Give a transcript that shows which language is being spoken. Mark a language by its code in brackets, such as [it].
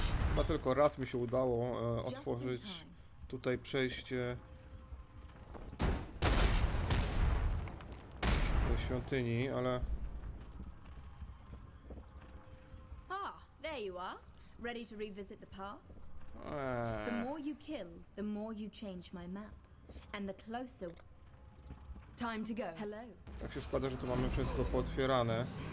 [pl] Chyba tylko raz mi się udało otworzyć tutaj przejście do świątyni, ale. [en] Ah, there you are. Ready to revisit the past? The more you kill, the more you change my map. And the closer. Time to go. Hello. [pl] Tak się składa, że tu mamy wszystko pootwierane.